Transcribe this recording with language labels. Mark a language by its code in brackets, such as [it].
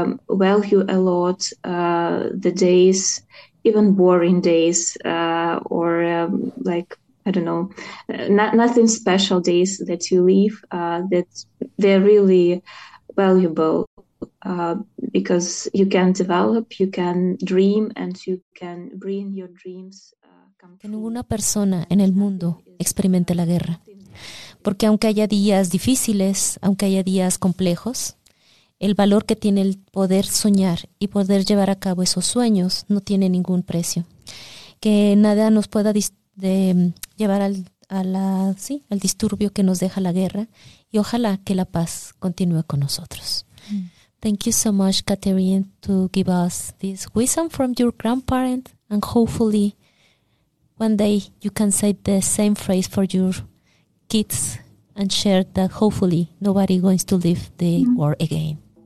[en] value a lot the days, even boring days, or like, I don't know, nothing special days that you leave, that they're really valuable, because you can develop, you can dream, and you can bring your dreams. [es] Que ninguna persona en el mundo experimente la guerra, porque aunque haya días difíciles, aunque haya días complejos, el valor que tiene el poder soñar y poder llevar a cabo esos sueños no tiene ningún precio. Que nada nos pueda llevar al disturbio que nos deja la guerra, y ojalá que la paz continúe con nosotros. [en] Thank you so much, Catherine, to give us this wisdom from your grandparent, and hopefully one day you can say the same phrase for your kids and share that hopefully nobody going to leave the war again.